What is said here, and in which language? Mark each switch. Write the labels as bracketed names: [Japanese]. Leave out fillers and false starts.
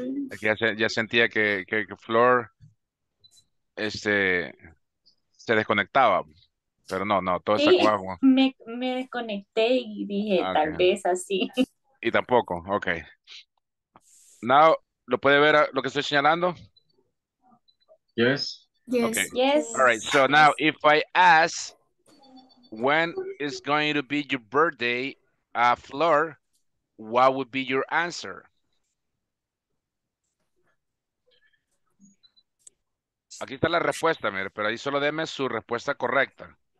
[Spanish] Aquí ya sentía que Flor se desconectaba, pero no, todo está cuajo. Me desconecté y dije, okay. Tal vez así. Y tampoco, ok. Now, ¿lo puede ver lo que estoy señalando? [English] Yes. Yes. Okay. Yes. All right, so now, yes. If I ask, when is going to be your birthday, Flor, what would be your answer? [Spanish] Aquí está la respuesta, mire, pero ahí solo deme su respuesta correcta.